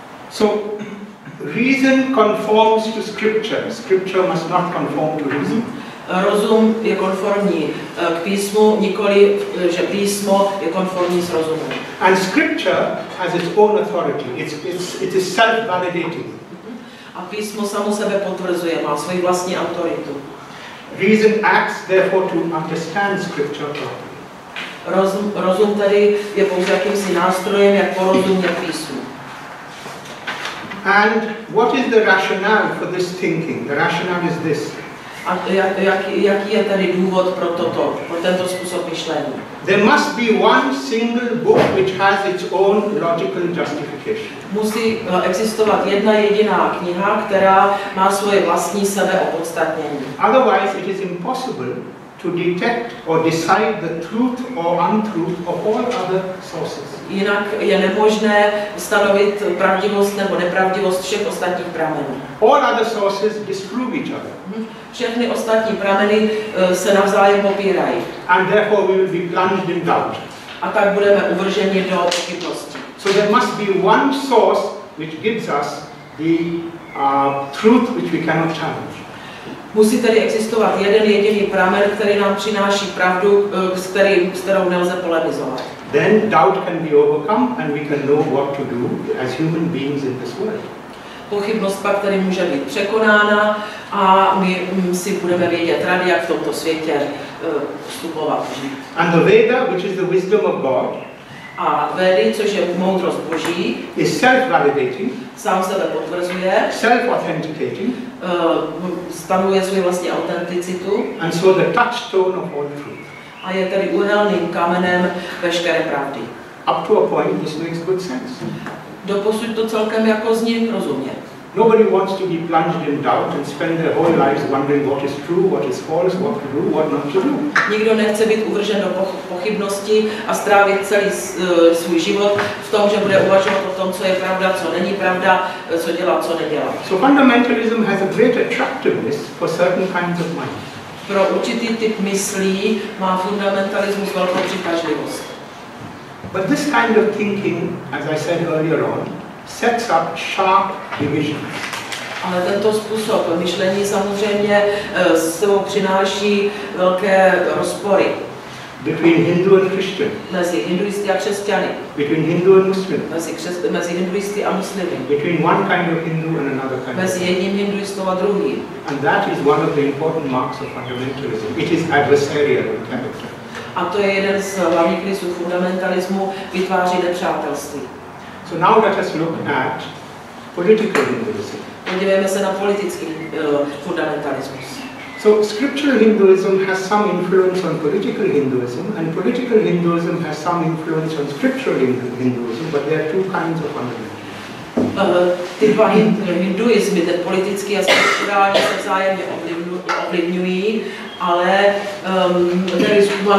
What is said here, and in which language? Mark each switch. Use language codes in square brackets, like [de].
[en] So, reason conforms to scripture. Scripture must not conform to reason. [cs] Rozum je konformní k písmu, nikoli že písmo je konformní s rozumem. [en] And scripture has its own authority. It is self-validating. [cs] A písmo samo sebe potvrzuje, má svoji vlastní autoritu. [en] Reason acts therefore to understand scripture properly. [cs] Rozum tedy je pouze jakýmsi nástrojem, jak porozumět písmu. [en] And what is the rationale for this thinking? The rationale is this. [cs] A jaký je tedy důvod pro toto, pro tento způsob myšlení? [en] There must be one single book which has its own logical justification. [cs] Musí existovat jedna jediná kniha, která má svoje vlastní sebeopodstatnění. [en] Otherwise it is impossible to detect or decide the truth or untruth of all other sources. [cs] Jinak je nemožné stanovit pravdivost nebo nepravdivost všech ostatních pramenů. [en] All other sources disprove each other. [cs] Všechny ostatní prameny se navzájem popírají. [en] And therefore we will be plunged in doubt. [cs] A tak budeme uvrženi do pochybnosti. [en] So there must be one source which gives us the truth which we cannot challenge. [cs] Musí tady existovat jeden jediný pramen, který nám přináší pravdu, s kterou nelze polemizovat. [en] Then doubt can be overcome and we can know what to do as human beings in this world. [cs] Pochybnost pak tady může být překonána a my si budeme vědět rady, jak v tomto světě vstupovat. [en] And the Veda, which is the wisdom of God, [cs] a Vedy, což je moudrost Boží, [en] is self-validating, [cs] sám sebe potvrzuje, [en] self-authenticating, [cs] stanovuje svou vlastní autenticitu, [en] and so the touchstone of all truth. [cs] A je tedy úhelným kamenem veškeré pravdy. [en] Up to a point, this makes good sense. [cs] Doposud to celkem jako zní rozumně. [en] Nobody wants to be plunged in doubt and spend their whole lives wondering what is true, what is false, what to do, what not to do. [cs] Nikdo nechce být uvržen do pochybnosti a strávit celý svůj život v tom, že bude uvažovat o tom, co je pravda, co není pravda, co dělat, co nedělat. [en] So fundamentalism has a great attractiveness for certain kinds of mind. [cs] Pro určitý typ myslí má fundamentalismus velkou přitažlivost. [en] But this kind of thinking, as I said earlier on, sets up sharp divisions. [cs] Ale tento způsob myšlení samozřejmě s sebou přináší velké rozpory. [en] Between Hindu and Christian. [cs] Mezi hinduisty a křesťany. [en] Between Hindu and Muslim. [cs] Mezi hinduisty a muslimy. [en] Between one kind of Hindu and another kind. [cs] Mezi jedním hinduistou a druhým. [en] And that is one of the important marks of fundamentalism. It is adversarial in character. [cs] A to je jeden z hlavních rysů fundamentalismu, vytváří nepřátelství. [en] So now let us look at political Hinduism. [cs] Podívejme se na politický fundamentalismus. [en] So scriptural Hinduism has some influence on political Hinduism, and political Hinduism has some influence on scriptural Hinduism, but there are two kinds of fundamentalism. [cs] Ty dva hinduismy, ten politický a skriptural, se vzájemně ovlivňují, ale [en] there is